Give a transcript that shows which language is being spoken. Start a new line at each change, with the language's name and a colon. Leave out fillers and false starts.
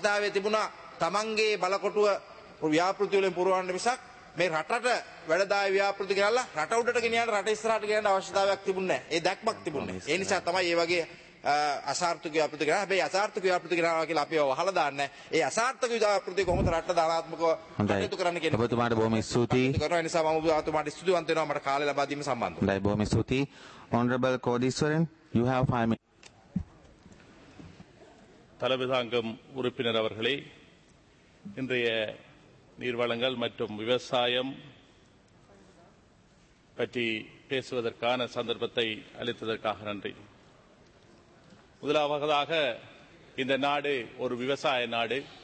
Sinhala: අවශ්‍යතාවය තිබුණා තමන්ගේ බලකොටුව ව්‍යාපෘති වලින් පුරවන්න මිසක් මේ රටට වැඩදායී ව්‍යාපෘති ගනලා රට උඩට ගෙනියන්න රට ඉස්සරහට ගෙනියන්න අවශ්‍යතාවයක් තිබුණේ නැහැ. ඒ දැක්මක් තිබුණේ නැහැ. ඒ නිසා තමයි මේ වගේ අසාර්ථක ව්‍යාපෘති ගනලා හැබැයි අසාර්ථක ව්‍යාපෘති ගනවා කියලා අපි වහලා දාන්නේ. ඒ අසාර්ථක ව්‍යාපෘති කොහොමද රට ධනාත්මකව කටයුතු කරන්න කියන්නේ? ඔබතුමාට බොහොම ස්තුතියි. කරනවා. ඒ නිසා මම ඔබතුමාට ස්තුතිවන්ත වෙනවා මට කාලය ලබා දීම සම්බන්ධව. හොඳයි. බොහොම ස්තුතියි.
English: Honorable Kodiswaran, you have 5 minutes.
Tamil: தலைமை தாங்கும் உறுப்பினர் அவர்களே, இன்றைய நீர்வளங்கள் மற்றும் விவசாயம் பற்றி பேசுவதற்கான சந்தர்ப்பத்தை அளித்ததற்காக நன்றி. முதலாவதாக இந்த நாடு ஒரு விவசாய நாடு.